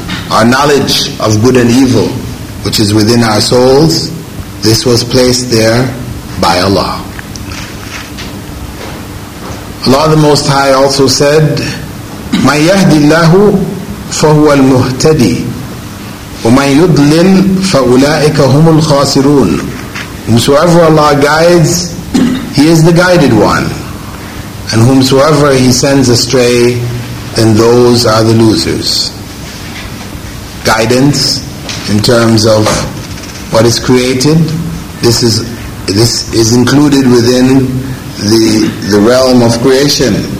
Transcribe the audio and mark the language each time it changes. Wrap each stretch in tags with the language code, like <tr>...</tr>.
<en>Our knowledge of good and evil, which is within our souls, this was placed there by Allah. Allah the Most High also said,</en> <ar>مَنْ يَهْدِ اللَّهُ فَهُوَ الْمُهْتَدِي وَمَنْ يُضْلِلْ فَأُولَٰئِكَ هُمُ الْخَاسِرُونَ.</ar> <en>Whomsoever Allah guides, He is the guided one. And whomsoever He sends astray, then those are the losers. Guidance in terms of what is created, this is included within the realm of creation.</en>